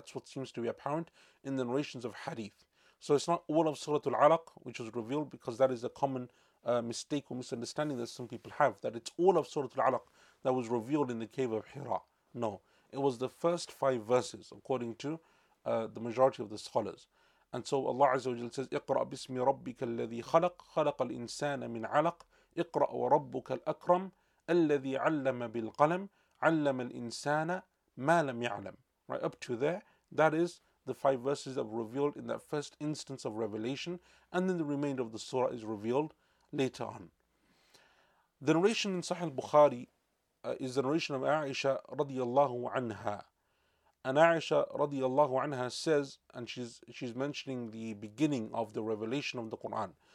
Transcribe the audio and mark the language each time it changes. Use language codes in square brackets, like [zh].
[en] That's what seems to be apparent in the narrations of Hadith. So it's not all of Surah Al-Alaq which was revealed, because that is a common mistake or misunderstanding that some people have, that it's all of Surah Al-Alaq that was revealed in the cave of Hira. No, it was the first five verses, according to the majority of the scholars. And so Allah Azza wa Jalla says, [ar] اقرأ بسم ربك الذي خلق خلق الإنسان من علق اقرأ وربك الأكرم الذي علم بالقلم علم الإنسان ما لم يعلم. [en] Right up to there, that is the five verses that were revealed in that first instance of revelation, and then the remainder of the surah is revealed later on. The narration in Sahih al-Bukhari is the narration of Aisha radiallahu anha. And Aisha radiallahu anha says, and she's mentioning the beginning of the revelation of the Quran.